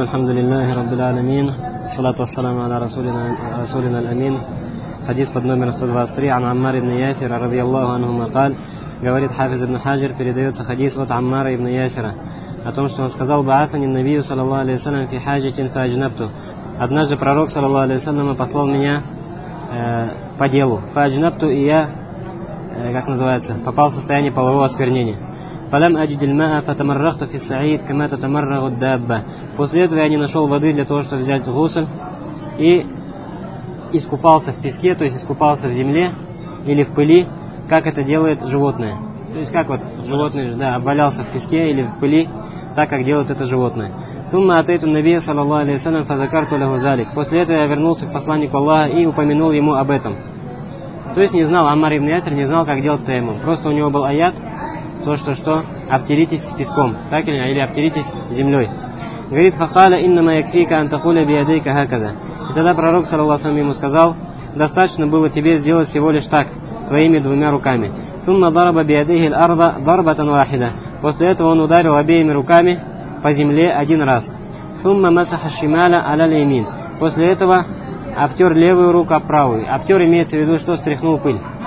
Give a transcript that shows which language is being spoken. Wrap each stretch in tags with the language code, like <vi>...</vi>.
<ar>الحمد لله رب العالمين, الصلاة والسلام على رسولنا الأمين. حديث</ar> <ru>под номером</ru> <ar>123 عن عمار بن ياسر رضي الله عنهما قال, говорит حافظ ابن حجر,</ar> <ru>передается</ru> <ar>حديث</ar> <ru>от Аммара ибн Ясира о том, что он сказал:</ru> <ar>بعثني النبي صلى الله عليه وسلم في حاجة فأجنبته.</ar> <ru>Однажды пророк</ru> <ar>صلى الله عليه وسلم</ar> <ru>послал меня по делу.</ru> <ar>فأجنبته,</ar> <ru>и я как называется, попал в состояние полового осквернения.</ru> <ar>فلم أجد الماء فتمرغت في السعيد كما تتمرغ الدابة.</ar> <ru>После этого я не нашел воды для того, чтобы взять гусль, и искупался в песке, то есть искупался в земле или в пыли, как это делает животное. То есть как вот животное, да, обвалялся в песке или в пыли, так как делает это животное.</ru> <ar>ثم أتيت النبي صلى الله عليه وسلم فذكرت له ذلك.</ar> <ru>После этого я вернулся к посланнику Аллаха и упомянул ему об этом. То есть не знал Аммар ибн Ясир, не знал, как делать тайму. Просто у него был аят, то, что что? Обтеритесь песком, так или нет, или обтеритесь землей.</ru> <ar>Говорит, فَقَالَ إِنَّمَا يَكْفِيكَ أَنْ تَقُولَ بِيَدَيْكَ هَكَذَا.</ar> <ru>И тогда пророк, саллаллаху алейхи ва саллям, сказал, достаточно было тебе сделать всего лишь так, твоими двумя руками.</ru> <ar>ثُمَّ ضَرَبَ بِيَدَيْهِ الْأَرْضَ ضَرْبَةً وَاحِدَةً.</ar> <ru>После этого он ударил обеими руками по земле один раз.</ru> <ar>ثُمَّ مَسَحَ الشِّمَالَ عَلَى الْيَمِينِ.</ar> <ru>После этого обтер левую руку об правую. Обтер имеется в виду, что стряхнул пыль.</ru>